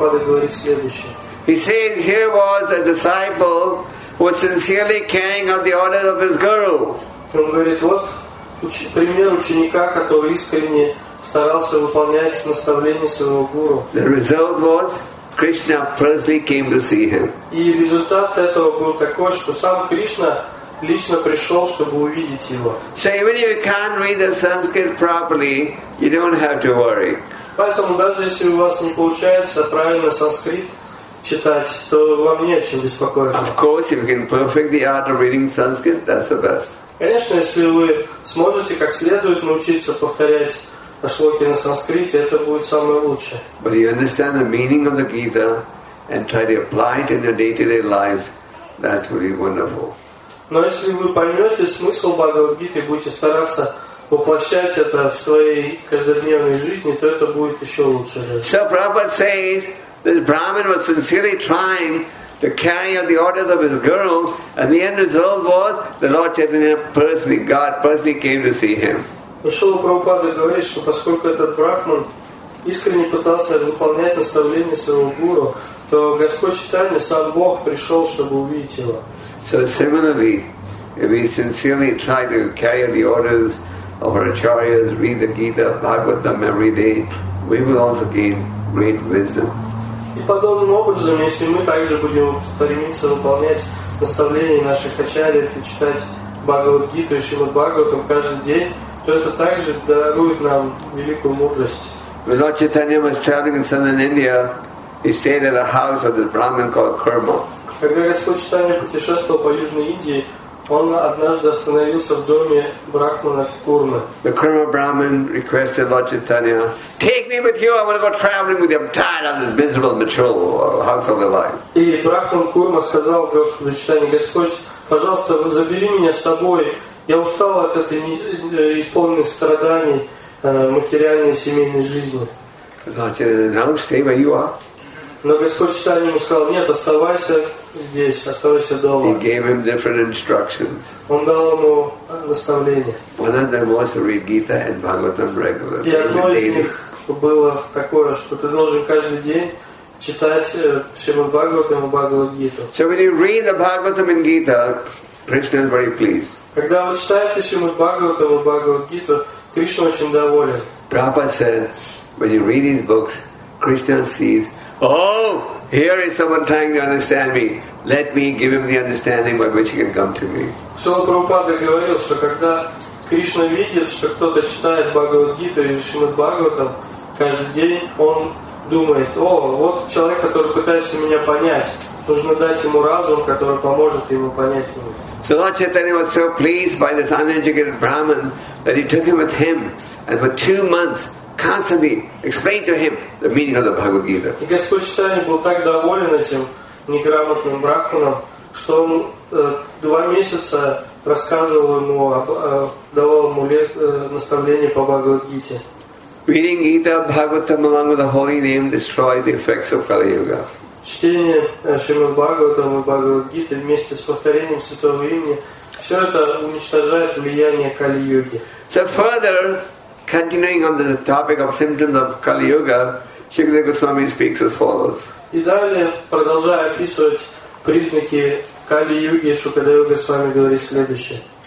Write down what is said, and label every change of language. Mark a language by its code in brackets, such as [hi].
[en] He says, here was a disciple who was sincerely carrying out the orders of his guru. The result was, Krishna personally came to see him. [ru] Лично пришел, чтобы увидеть его. [en] So even if you can't read the Sanskrit properly, you don't have to worry. [ru] Поэтому даже если у вас не получается правильно санскрит читать, то вам не о чем беспокоиться. [en] Of course, if you can perfect the art of reading Sanskrit, that's the best. [ru] Конечно, если вы сможете как следует научиться повторять шлоки на санскрите, это будет самое лучшее. [en] But you understand the meaning of the Gita and try to apply it in your day-to-day lives, that's really wonderful. [ru] Но если вы поймете смысл Бхагавад-гиты и будете стараться воплощать это в своей каждодневной жизни, то это будет еще лучше. [en] So Prabhupada says that Brahman was sincerely trying to carry out the orders of his guru, and the end result was the Lord Chaitanya personally, God personally came to see him. [ru] Шрила Прабхупада говорит, что поскольку этот Брахман искренне пытался выполнять наставления своего гуру, то Господь Читания, сам Бог, пришел, чтобы увидеть его. [en] So similarly, if we sincerely try to carry the orders of our acharyas, read the Gita, Bhagavatam every day, we will also gain great wisdom. [ru] И подобным образом, если мы также будем стремиться выполнять наставления наших ачарьев и читать Бхагавад-гиту и Шримад-Бхагаватам каждый день, то это также дарует нам великую мудрость. [en] When Lord Chaitanya was traveling in southern India, he stayed at a house of this Brahmin called Kurma. [ru] Когда Господь Читания путешествовал по Южной Индии, он однажды остановился в доме Брахмана Курмы. [en] The Kurma Brahmin requested Lord Chaitanya, take me with you, I want to go traveling with you, I'm tired of this miserable material household life. [ru] И Брахман Курма сказал Господу Читания, Господь, пожалуйста, вы забери меня с собой, я устал от этой исполненной страданий материальной семейной жизни. [en] Lord Chaitanya, no, stay where you are. [ru] Но Господь Читания ему сказал, нет, оставайся здесь, оставайся дома. [en] He gave him different instructions. [ru] Он дал ему наставления. [en] One of them was to read Gita and Bhagavatam regularly. [ru] И одно из них было такое, что ты должен каждый день [en] So when you read the Bhagavatam and Gita, Krishna is very pleased. [ru] Когда вы читаете Шримад Бхагаватам и Бхагавад-гиту, Кришна очень доволен. [en] Prabhupada said, when you read these books, Krishna sees, oh, here is someone trying to understand me. Let me give him the understanding by which he can come to me. [ru] Шрила Прабхупада говорил, что когда Кришна видит, что кто-то читает Бхагавад-гиту и Шримад Бхагаватам, каждый день он думает, о, вот человек, который пытается меня понять, нужно дать ему разум, который поможет ему понять меня. [en] So Lord Chaitanya was so pleased by this uneducated Brahman that he took him with him and for 2 months constantly explained to him the meaning of the Bhagavad Gita. [ru] И Господь Читания был так доволен этим неграмотным брахманом, что он 2 месяца рассказывал ему, давал ему наставление по Бхагавад Гите. [en] Reading Gita Bhagavatam along with the holy name destroys the effects of Kali Yuga. [ru] Чтение Шримад Бхагаватам и Бхагавад Гиты вместе с повторением Святого Имени все это уничтожает влияние Кали-Юги. [en] So further, continuing on the topic of symptoms of Kali-Yuga, Shrila Goswami speaks as follows. [ru] И далее, продолжая описывать признаки Кали-Юги, Шукадева Госвами говорит следующее.